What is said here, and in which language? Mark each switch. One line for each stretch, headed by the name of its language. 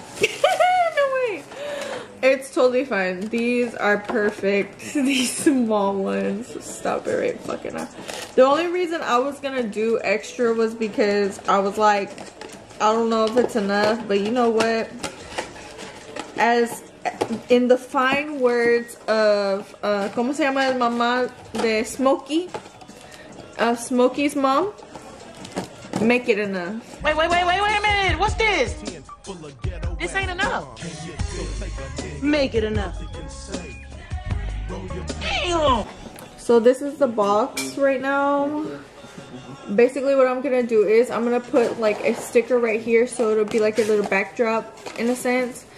English: No way. It's totally fine. These are perfect. These small ones. Stop it right fucking up. The only reason I was gonna do extra was because I was like, I don't know if it's enough, but you know what? As in the fine words of,
Spanish: ¿cómo se llama el mamá de Smokey?
English: Of Smokey's mom, make it enough. Wait a minute. What's this? This ain't enough. Make it enough. Damn. So this is the box right now. Basically what I'm gonna do is I'm gonna put like a sticker right here, so it'll be like a little backdrop in a sense.